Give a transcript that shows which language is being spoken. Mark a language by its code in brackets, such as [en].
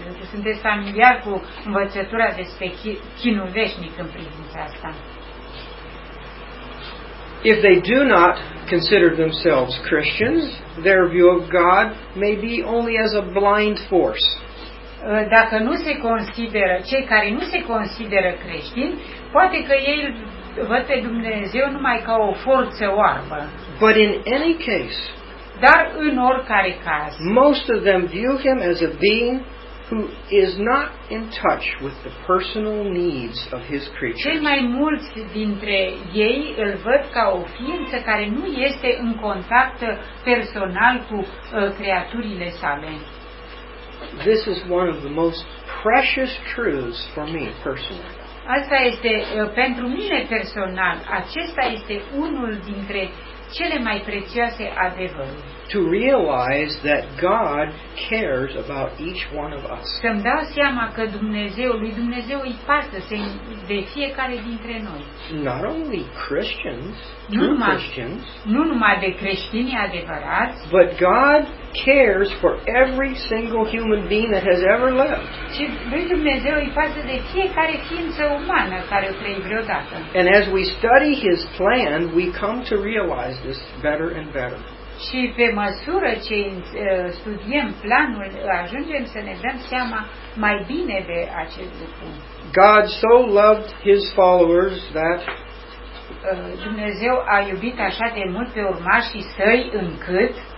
[ro] Sunteți familiar cu învățătura despre chinul veșnic în privința asta. [en] If they do not consider themselves Christians, their view of God may be only as a blind force. [ro] Dacă nu se consideră, cei care nu se consideră creștini, poate că ei văd pe Dumnezeu numai ca o forță oarbă. [en] But in any case, [ro] dar în oricare caz, [en] most of them view Him as a being who is not in touch with the personal needs of His creatures. [ro] Cei mai mulți dintre ei îl văd ca o ființă care nu este în contact personal cu creaturile sale. [en] This is one of the most precious truths for me personally. [ro] Asta este pentru mine personal. Acesta este unul dintre cele mai prețioase adevăruri. [en] To realize that God cares about each one of us. [ro] Să-mi dau seama că Dumnezeu îi pasă de fiecare dintre noi. [en] Not only Christians, true Christians. [ro] Nu numai de creștini adevărați. [en] But God cares for every single human being that has ever lived. [ro] Și Dumnezeu îi pasă de fiecare ființă umană care a trăit vreodată. [en] And as we study His plan, we come to realize this better and better. [ro] Și pe măsură ce studiem planul, ajungem să ne dăm seama mai bine de acest lucru. [en] God so loved His followers that [ro] Dumnezeu a iubit așa de mult pe urmașii Săi încât.